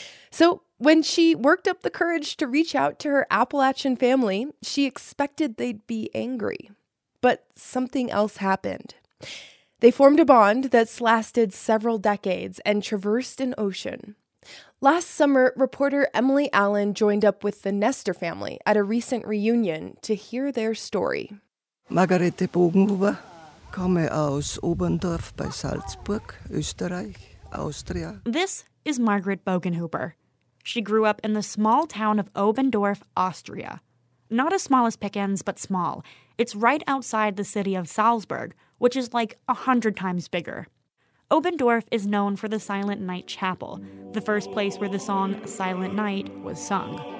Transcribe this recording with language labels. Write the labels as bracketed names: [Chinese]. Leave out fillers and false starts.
[English] So when she worked up the courage to reach out to her Appalachian family, she expected they'd be angry. But something else happened. They formed a bond that's lasted several decades and traversed an ocean. Last summer, reporter Emily Allen joined up with the Nestor family at a recent reunion to hear their story. [German] Margarete Bogenhuber, komme aus Oberndorf bei Salzburg, Österreich, Austria. [English] This is Margaret Bogenhuber. She grew up in the small town of Oberndorf, Austria. Not as small as Pickens, but small. It's right outside the city of Salzburg, which is 100 times bigger. Oberndorf is known for the Silent Night Chapel, the first place where the song Silent Night was sung.